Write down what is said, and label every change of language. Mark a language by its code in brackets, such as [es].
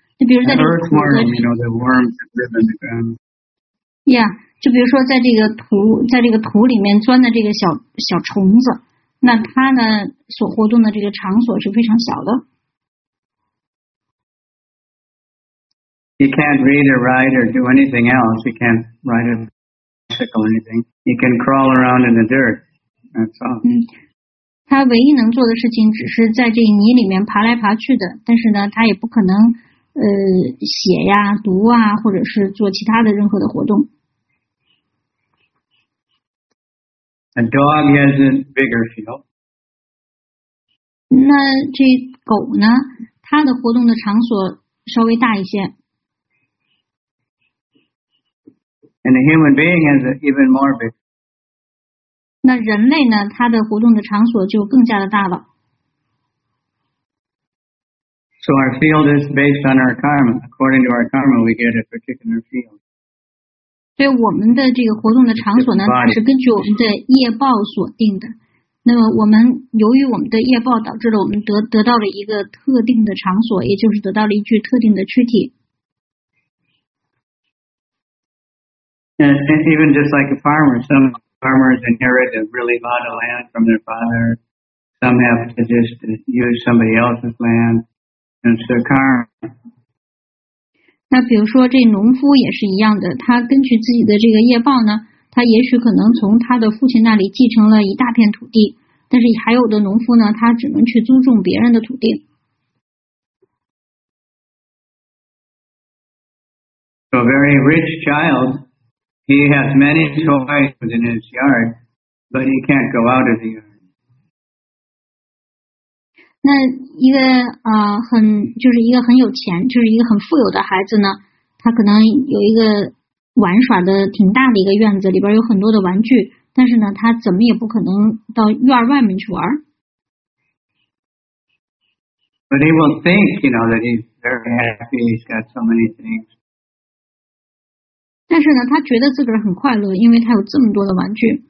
[en] An earthworm, you know, the worms that live in the ground. [zh] Yeah, 就比如说在这个土，在这个土里面钻的这个小小虫子。那它呢所活动的这个场所是非常小的。 [en] He can't read or write or do anything else. He can't ride a bicycle or anything. He can crawl around in the dirt. That's all. [zh] 他唯一能做的事情只是在这泥里面爬来爬去的，但是呢，他也不可能写呀、读啊，或者是做其他的任何的活动。 [en] A dog has a bigger field. [zh] 那这狗呢？它的活动的场所稍微大一些。 [en] And a human being has an even more big. [zh] 那人类呢？它的活动的场所就更加的大了。 [en] So our field is based on our karma. According to our karma, we get a particular field. [zh] 所以我们的这个活动的场所呢，是根据我们的业报锁定的。那么我们由于我们的业报导致了我们得到了一个特定的场所，也就是得到了一具特定的躯体。 [en] And even just like a farmer, some farmers inherit a really lot of land from their father. Some have to just use somebody else's land. And so karma. [zh] 那比如说这农夫也是一样的，他根据自己的这个业报呢，他也许可能从他的父亲那里继承了一大片土地，但是还有的农夫呢，他只能去租种别人的土地。 [en] A very rich child, he has many toys within his yard, but he can't go out of the yard. [zh] 那一个很就是一个很有钱就是一个很富有的孩子呢，他可能有一个玩耍的挺大的一个院子，里边有很多的玩具，但是呢他怎么也不可能到院外面去玩。 [en] But he will think, you know, that he's very happy, he's got so many things. [zh] 但是呢他觉得自个儿很快乐，因为他有这么多的玩具。